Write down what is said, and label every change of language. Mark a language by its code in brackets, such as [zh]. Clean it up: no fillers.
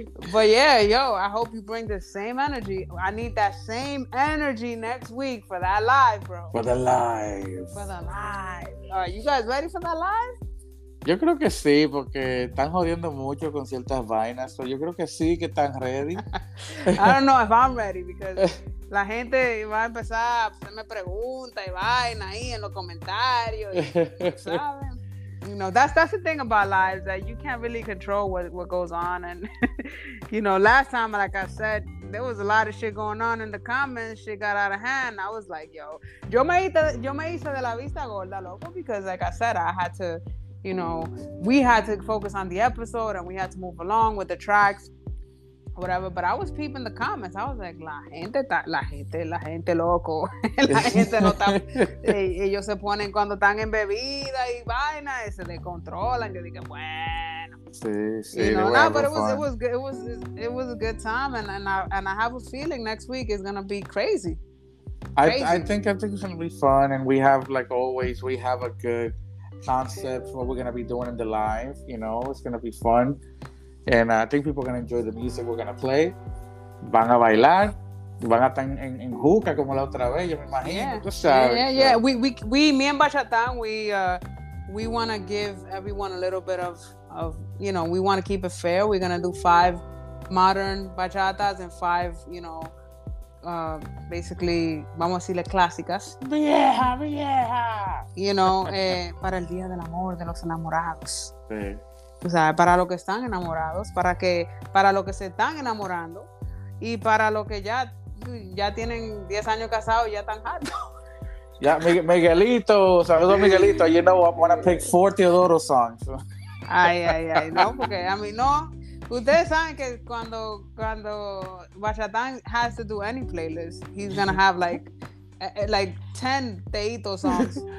[en] But yeah, yo, I hope you bring the same energy. I need that same energy next week for that live, bro. For the live. Are you guys ready for that live? [es] Yo creo que sí, porque están jodiendo mucho con ciertas vainas, so yo creo que sí, que están ready. [en] I don't know if I'm ready, because, [es] La gente va a empezar a hacerme preguntas y vaina ahí en los comentarios. Y, ¿saben? [en] You know, that's the thing about lives, that you can't really control what goes on. And, you know, last time, like I said, there was a lot of shit going on in the comments. Shit got out of hand. I was like, yo. [es] Yo me hice de la vista gorda, loco, [en] because, like I said, I had to, you know, we had to focus on the episode and we had to move along with the tracks. Whatever, but I was peeping the comments. I was like, [es] la gente loco. La gente no está. Ellos se ponen cuando están en bebida y vaina, y se descontrolan. Yo dije, bueno. Sí, [en] you know, but it was a good time, and I have a feeling next week is gonna be crazy. I think it's gonna be fun, and we have, like always, we have a good concept for what we're gonna be doing in the live. You know, it's gonna be fun. And I think people are going to enjoy the music we're going to play. [es] Van a bailar. Van a estar en juca como la otra vez. Yo me imagino. Yeah. Tú sabes. [en] Yeah. Me and Bachatan, we want to give everyone a little bit of, you know, we want to keep it fair. We're going to do 5 modern bachatas and 5, you know, basically, [es] vamos a decirle clásicas. Vieja, vieja. [en] You know, [es] para el día del amor de los enamorados. Sí. O sea, para los que están enamorados, para los que se están enamorando y para los que ya tienen 10 años casados y ya están hartos. Ya, Miguelito, saludos a Miguelito. [en] You know, I'm going to pick 4 Teodoro songs. [es] Ay, ay, ay, no, porque a mí no. Ustedes saben que cuando [en] Bachatan has to do any playlist, he's going to have like 10 Teito songs.